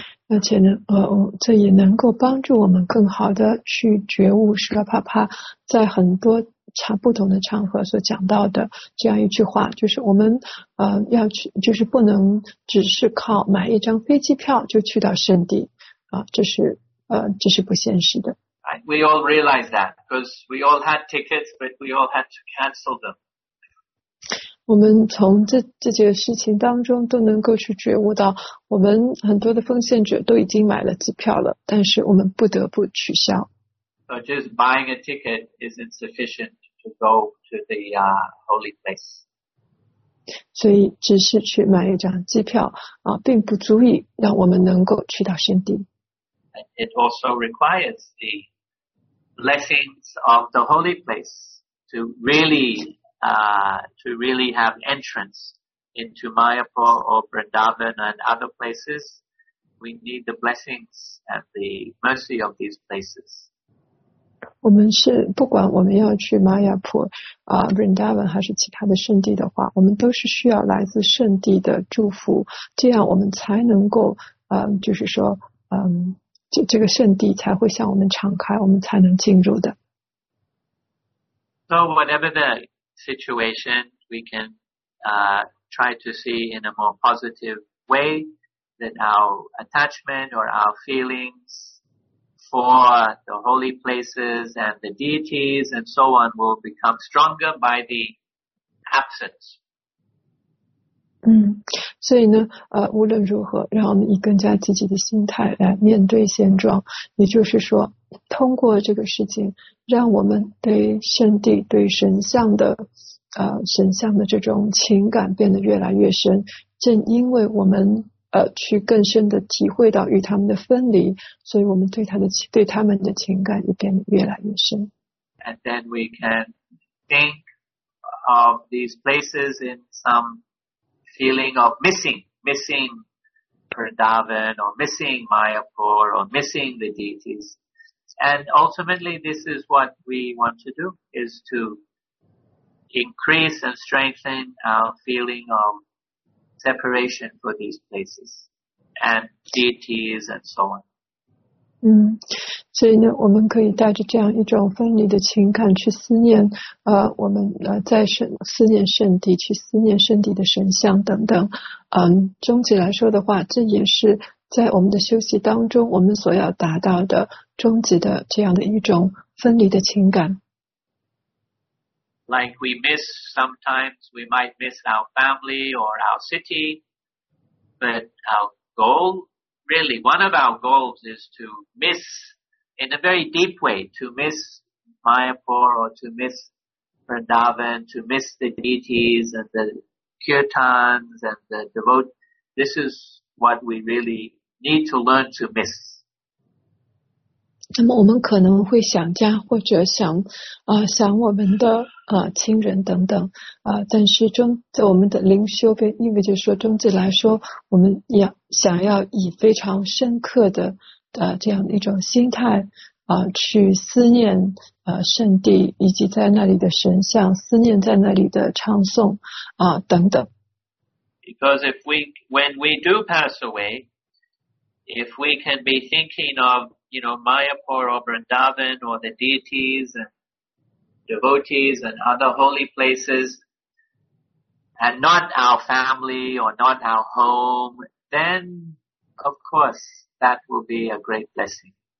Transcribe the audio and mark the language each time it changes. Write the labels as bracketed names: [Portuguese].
[Chinese] 而且呢，这也能够帮助我们更好的去觉悟舍勒帕帕在很多不同的场合所讲到的这样一句话，就是我们要去，就是不能只是靠买一张飞机票就去到圣地这是不现实的。 [English] We all realize that because we all had tickets, but we all had to cancel them. [Chinese] 我们从这件事情当中都能够去觉悟到，我们很多的奉献者都已经买了机票了，但是我们不得不取消。 [English] So just buying a ticket isn't sufficient to go to the holy place. [Chinese] 所以只是去买一张机票并不足以让我们能够去到圣地。 [English] It also requires the blessings of the holy place. to really have entrance into Mayapur or Vrindavan and other places, we need the blessings and the mercy of these places. [Chinese] 我们是不管我们要去玛雅普、Vrindavan 还是其他的圣地的话，我们都是需要来自圣地的祝福，这样我们才能够、就是说、这个圣地才会向我们敞开，我们才能进入的。 [English] So whatever the situation, we can、try to see in a more positive way that our attachment or our feelingsFor the holy places and the deities and so on will become stronger by the absence. [Chinese] 所以呢，无论如何，让我们以更加积极的心态来面对现状。也就是说，通过这个事情，让我们对圣地、对神像的，神像的这种情感变得越来越深。正因为我们去更深的体会到与他们的分离，所以我们对他们的情感也变得越来越深。 [English] And then we can think of these places in some feeling of missing Vrindavan or missing Mayapur or missing the deities. And ultimately, this is what we want to do, is to increase and strengthen our feeling of. Separation for these places and deities and so on. [Chinese] 所以呢，我们可以带着这样一种分离的情感去思念，我们在思念圣地，去思念圣地的神像等等。终极来说的话，这也是在我们的休息当中，我们所要达到的终极的这样的一种分离的情感。 [English] Like we miss, sometimes we might miss our family or our city, but our goal, really, one of our goals is to miss, in a very deep way, to miss Mayapur or to miss Vrindavan, to miss the deities and the kirtans and the devotees. This is what we really need to learn to miss. [Chinese] 那么我们可能会想家或者想想我们的亲人等等但是在我们的灵修跟意味着说终极来说我们要想要以非常深刻的这样的一种心态去思念圣地以及在那里的神像思念在那里的唱颂等等。 [English] Because when we do pass away, if we can be thinking ofYou know, Mayapur or Vrindavan or the deities and devotees and other holy places and not our family or not our home, then of course that will be a great blessing.